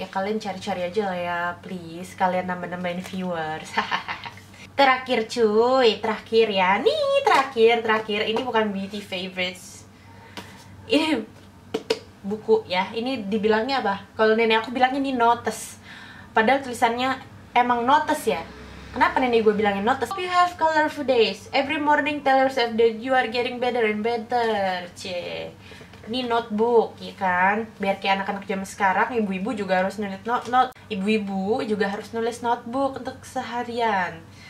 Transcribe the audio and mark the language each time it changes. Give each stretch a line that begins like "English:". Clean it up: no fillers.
Indonesian: Ya kalian cari-cari aja lah ya, please. Kalian nambah-nambahin viewers. Terakhir cuy, terakhir ya. Nih, terakhir. Ini bukan beauty favorites. Ini buku ya. Ini dibilangnya apa? Kalau nenek aku bilangnya ini notes. Padahal tulisannya emang notes ya. Kenapa nenek gue bilangin notes?
English: Hope you have colorful days. Every morning tell yourself that you are getting better and better.
Indonesian: Ini notebook, ya kan? Biar kayak anak-anak zaman sekarang, ibu-ibu juga harus nulis ibu-ibu juga harus nulis notebook untuk seharian.